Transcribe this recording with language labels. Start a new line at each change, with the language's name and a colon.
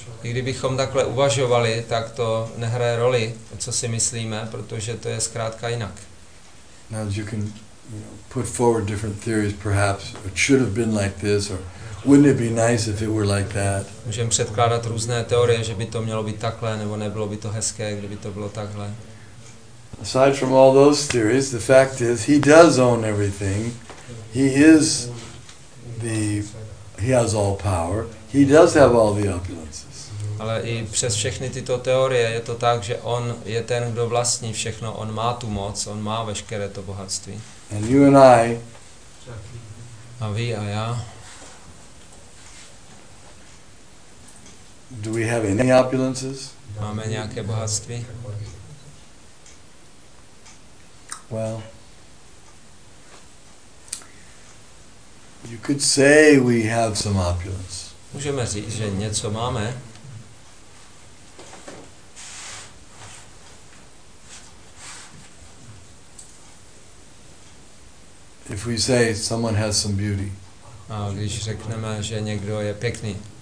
Czech: I kdybychom takhle uvažovali, tak to nehraje roli, co si myslíme, protože to je zkrátka jinak.
English: Now you can put forward different theories, perhaps it should have been like this, or wouldn't it be nice if it were like that?
Czech: Můžeme předkládat různé teorie, že by to mělo být takhle, nebo nebylo by to hezké, kdyby to bylo takhle.
English: Aside from all those theories, the fact is he does own everything. He has all power. He does have all the opulences.
Czech: Ale i přes všechny tyto teorie je to tak, že on je ten, kdo vlastní všechno. On má tu moc, on má veškeré to bohatství.
English: And you and I.
Czech: A vy a já.
English: Do we have any opulences?
Czech: Máme nějaké bohatství?
English: Well, you could say we have some opulence.
Czech: Můžeme říct, že něco máme.
English: If we say someone has some beauty.
Czech: A když řekneme, že někdo je pěkný.